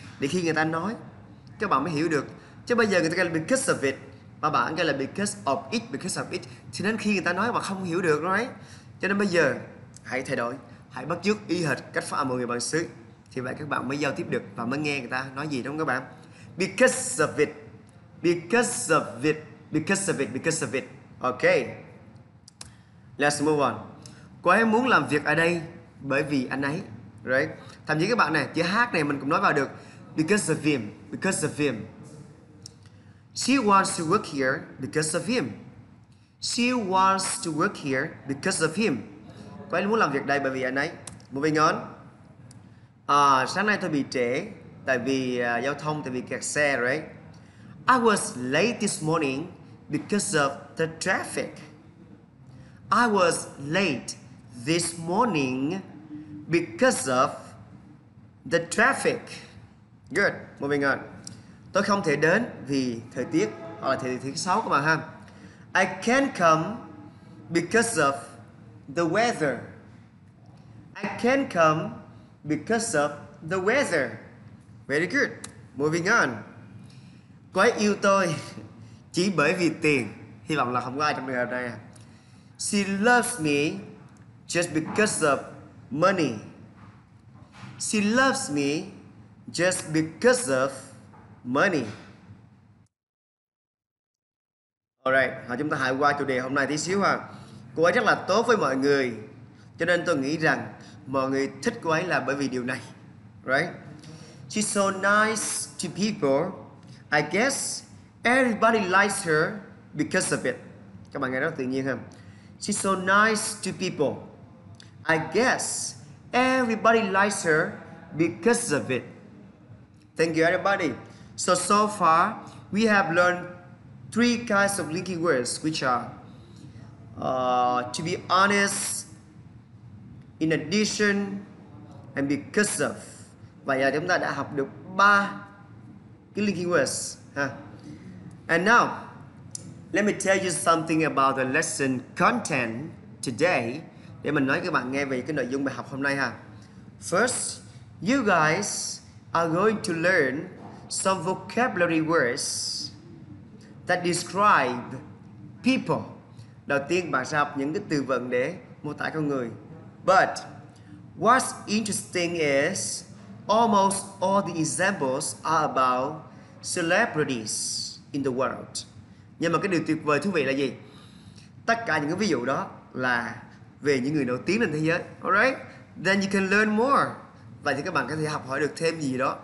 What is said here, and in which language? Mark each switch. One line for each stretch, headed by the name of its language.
Vietnamese: Để khi người ta nói, các bạn mới hiểu được. Chứ bây giờ người ta kêu là
English: because of it,
Vietnamese: mà bạn kêu là
English: because of it, because of it.
Vietnamese: Thì nên khi người ta nói mà không hiểu được nói. Cho nên bây giờ hãy thay đổi, hãy bắt chước y hệt cách phát âm của người bản xứ. Thì vậy các bạn mới giao tiếp được và mới nghe người ta nói gì, đúng không các bạn?
English: Because of it, because of it, because of it, because of it. Ok, let's move on.
Vietnamese: Cô ấy muốn làm việc ở đây bởi vì anh ấy, right? Thậm chí các bạn này, chữ hát này mình cũng nói vào được.
English: Because of him, because of him. She wants to work here because of him. She wants to work here because of him.
Vietnamese: Cô ấy muốn làm việc đây bởi vì anh ấy.
English: Moving on.
Vietnamese: Sáng nay tôi bị trễ tại vì giao thông, tại vì kẹt xe, right?
English: I was late this morning because of the traffic. I was late this morning because of the traffic. Good, moving on.
Vietnamese: Tôi không thể đến vì thời tiết, hoặc là thời tiết xấu các bạn ha.
English: I can't come because of the weather. I can't come because of the weather. Very good. Moving on.
Vietnamese: Cô ấy yêu tôi chỉ bởi vì tiền. Hy vọng là không có ai trong trường hợp này.
English: She loves me just because of money. She loves me just because of money.
Vietnamese: Alright, chúng ta hãy qua chủ đề hôm nay tí xíu ha. Cô ấy rất là tốt với mọi người, cho nên tôi nghĩ rằng mọi người thích cô ấy là bởi vì điều này.
English: Right? She's so nice to people. I guess everybody likes her because of it.
Vietnamese: Các bạn nghe rất tự nhiên không?
English: She's so nice to people. I guess everybody likes her because of it. Thank you, everybody. So far, we have learned three kinds of linking words, which are to be honest, in addition, and because of.
Vietnamese: Vậy là chúng ta đã học được ba cái linking words.
English: And now, let me tell you something about the lesson content today.
Vietnamese: Để mình nói các bạn nghe về cái nội dung bài học hôm nay ha.
English: First, you guys are going to learn some vocabulary words that describe people.
Vietnamese: Đầu tiên bạn sẽ học những cái từ vựng để mô tả con người.
English: But what's interesting is almost all the examples are about celebrities in the world.
Vietnamese: Nhưng mà cái điều tuyệt vời thú vị là gì? Tất cả những cái ví dụ đó là về những người nổi tiếng trên thế giới. Alright?
English: Then you can learn more.
Vietnamese: Vậy thì các bạn có thể học hỏi được thêm gì đó.